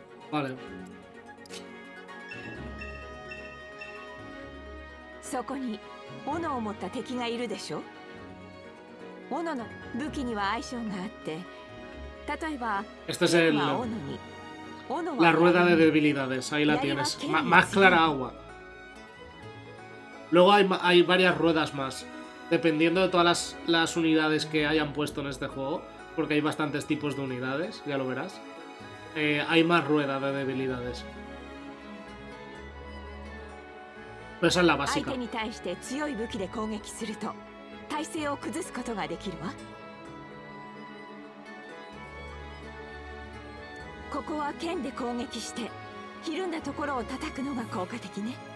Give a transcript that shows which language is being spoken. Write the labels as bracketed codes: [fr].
[es] Vale. [ja] そこに斧を持った敵がいるでしょ。斧の武器には相性があって、例えば [es] este es el, [ja] 斧に斧は [es] la rueda de debilidades. Ahí la tienes. Más clara agua. Luego hay varias ruedas más, dependiendo de todas las unidades que hayan puesto en este juego, porque hay bastantes tipos de unidades, ya lo verás. Hay más rueda de debilidades. Pero esa es la básica. [ja] 相手に対して強い武器で攻撃すると体勢を崩すことができるわ。ここは剣で攻撃してひるんだところを叩くのが効果的ね。